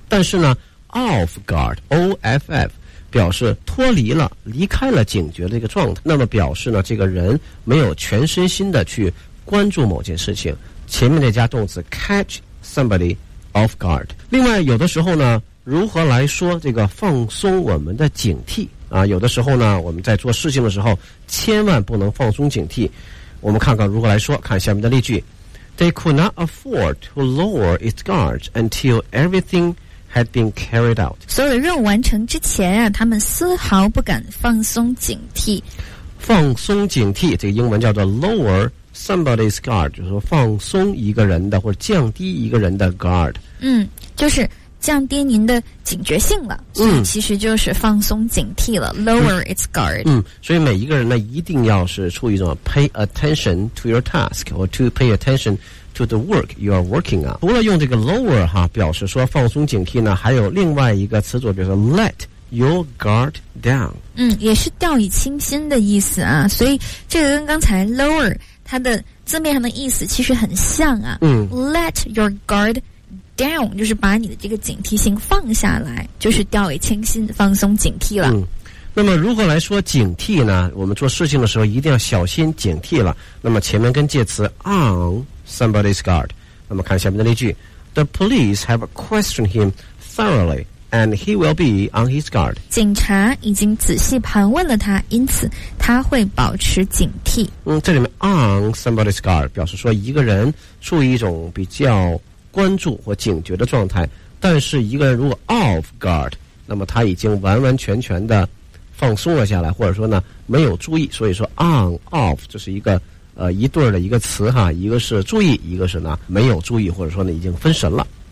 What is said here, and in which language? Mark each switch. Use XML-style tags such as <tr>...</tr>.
<zh>但是呢 off guard off 表示脱离了、离开了警觉的一个状态，那么表示呢这个人没有全身心的去关注某件事情。前面那加动词</zh> <en>catch somebody off guard。</en> <zh>另外有的时候呢，如何来说这个放松我们的警惕啊？有的时候呢，我们在做事情的时候千万不能放松警惕。我们看看如何来说，看下面的例句。</zh> <en>They could not afford to lower its guard until everything had been carried out，</en> <zh>所有的任务完成之前啊，他们丝毫不敢放松警惕。放松警惕，这个英文叫做 lower somebody's guard， 就是说放松一个人的或者降低一个人的 guard。嗯，就是降低您的警觉性了，所以其实就是放松警惕了、lower its guard。嗯，所以每一个人呢一定要是处于一种</zh> <en>pay attention to your task or to pay attention to the work you are working on。</en> <zh>除了用这个 lower 哈表示说放松警惕呢，还有另外一个词组，比如说 let your guard down。嗯，也是掉以轻心的意思啊，所以这个跟刚才 lower 它的字面上的意思其实很像啊。嗯， let your guard down down 就是把你的这个警惕性放下来，就是掉以轻心，放松警惕了。嗯，那么如何来说警惕呢？我们做事情的时候一定要小心警惕了。那么前面跟介词 on somebody's guard， 那么看下面的例句。</zh> <en>The police have questioned him thoroughly and he will be on his guard，</en> <zh>警察已经仔细盘问了他，因此他会保持警惕。嗯，这里面 on somebody's guard 表示说一个人处于一种比较关注或警觉的状态，但是一个人如果 off guard， 那么他已经完完全全的放松了下来，或者说呢没有注意，所以说 on off 这是一个一对的一个词哈，一个是注意，一个是呢没有注意，或者说呢已经分神了。</zh>